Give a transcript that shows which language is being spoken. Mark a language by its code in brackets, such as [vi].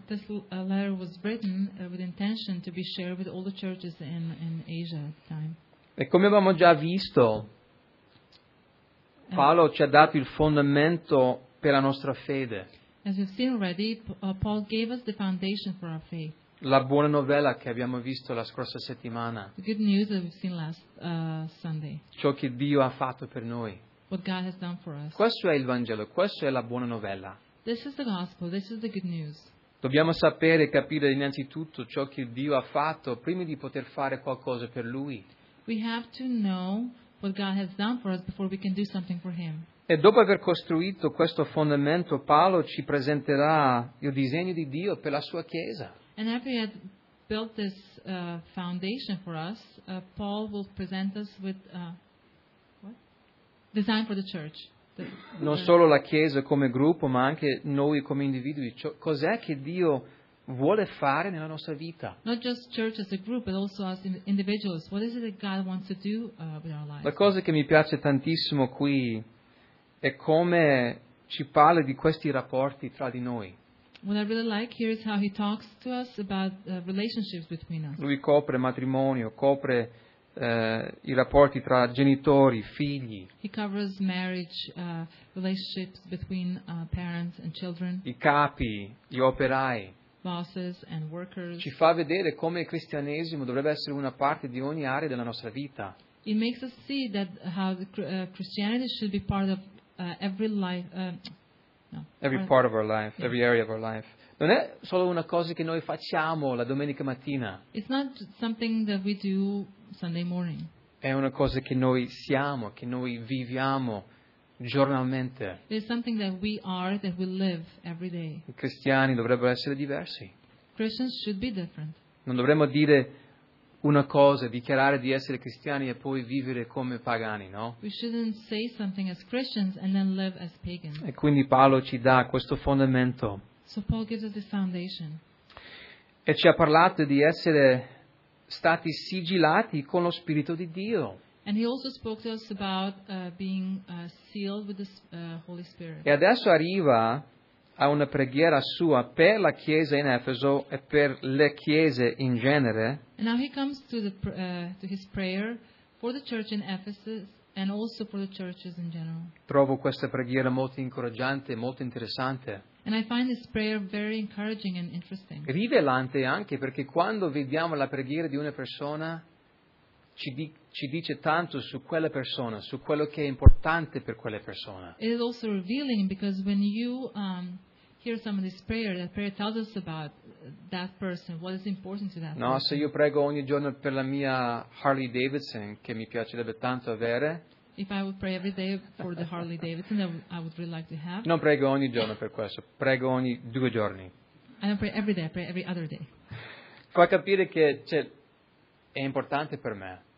[en] This letter was written with intention to be shared with all the churches in Asia at the time. [it] E come abbiamo già visto, Paolo ci ha dato il fondamento per la nostra fede. [en] As we've seen already, Paul gave us the foundation for our faith. [it] La buona novella che abbiamo visto la scorsa settimana. [en] The good news that we've seen last Sunday. [it] Ciò che Dio ha fatto per noi. [en] What God has done for us. [it] Questo è il Vangelo, questa è la buona novella. [en] This is the gospel, this is the good news. [it] Dobbiamo sapere e capire innanzitutto ciò che Dio ha fatto prima di poter fare qualcosa per Lui. [en] We have to know what God has done for us before we can do something for Him. [it] E dopo aver costruito questo fondamento, Paolo ci presenterà il disegno di Dio per la sua chiesa. [en] And after he had built this foundation for us, Paul will present us with design for the church. [it] Non solo la chiesa come gruppo, ma anche noi come individui. Cos'è che Dio vuole fare nella nostra vita? [en] Not just church as a group, but also as individuals. What is it that God wants to do with our lives? [it] La cosa che mi piace tantissimo qui è come ci parla di questi rapporti tra di noi. [en] What I really like here is how he talks to us about relationships between us. [it] Lui copre matrimonio, copre i rapporti tra genitori, figli. [en] He covers marriage, relationships between parents and children. [it] I capi, gli operai. [en] Bosses and workers. [it] Ci fa vedere come il cristianesimo dovrebbe essere una parte di ogni area della nostra vita. [en] It makes us see that how the Christianity should be part of every life. Every part of our life, every area of our life. [it] Non è solo una cosa che noi facciamo la domenica mattina. [en] It's not something that we do Sunday morning. [it] È una cosa che noi siamo, che noi viviamo giornalmente. [en] It's something that we are, that we live every day. [it] I cristiani dovrebbero essere diversi. [en] Christians should be different. [it] Non dovremmo dire una cosa, dichiarare di essere cristiani e poi vivere come pagani, no? [en] We shouldn't say something as Christians and then live as pagans. [it] E quindi Paolo ci dà questo fondamento. [en] So Paul gives us this foundation. [it] E ci ha parlato di essere stati sigillati con lo Spirito di Dio. [en] And he also spoke to us about being sealed with the Holy Spirit. [it] E adesso arriva a una preghiera sua per la chiesa in Efeso e per le chiese in genere. [en] And now he comes to the to his prayer for the church in Ephesus and also for the churches in general. [it] Trovo questa preghiera molto incoraggiante, molto interessante. [en] And I find this prayer very encouraging and interesting. [it] Rivelante anche, perché quando vediamo la preghiera di una persona ci dice tanto su quella persona, su quello che è importante per quella persona. [en] It is also revealing because when you hear somebody's prayer, that prayer tells us about that person, what is important to that [it] no, No, se io prego ogni giorno per la mia Harley Davidson, che mi piacerebbe tanto avere. [en] If I would pray every day for the Harley Davidson that I would really like to have. [it] Non prego ogni giorno per questo, prego ogni due giorni. [en] I don't pray every day, I pray every other day. [it] Fa capire che c'è, è importante per me.